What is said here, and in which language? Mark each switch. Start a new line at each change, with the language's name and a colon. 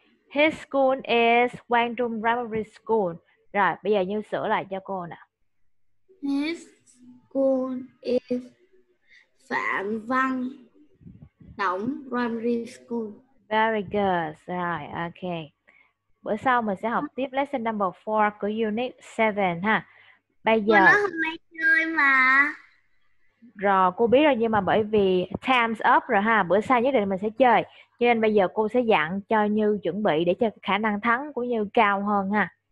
English: His school is Quang Trung Primary School.
Vietnamese: Rồi, bây giờ Như sửa lại cho cô nè.
English: His school is Phạm Văn Đồng Primary School. Very good.
Vietnamese: Rồi,
English: okay.
Vietnamese: Bữa sau mình sẽ học tiếp lesson number 4 của unit 7 ha. Bây giờ... Cô nói hôm nay chơi mà. Rồi, cô biết rồi nhưng mà bởi vì
English: time's up
Vietnamese: rồi ha. Bữa sau nhất định mình sẽ chơi. Cho nên bây giờ cô sẽ dặn cho Như chuẩn bị để cho khả năng thắng của Như cao hơn ha.